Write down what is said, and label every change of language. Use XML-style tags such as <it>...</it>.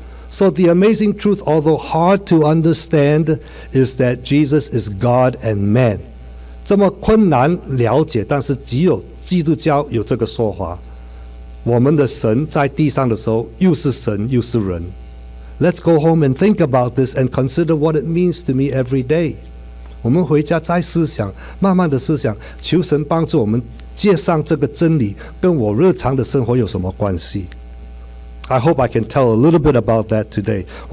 <en>So the amazing truth, although hard to understand, is that Jesus is God and man.</en> <zh>这么困难了解，但是只有基督教有这个说法。我们的神在地上的时候又是神又是人。</zh> <en>Let's go home and think about this and consider what it means to me every day.</en> <zh>我们回家再思想，慢慢的思想，求神帮助我们接上这个真理，跟我日常的生活有什么关系？</zh> <en>I hope I can tell a little bit about that today.</en>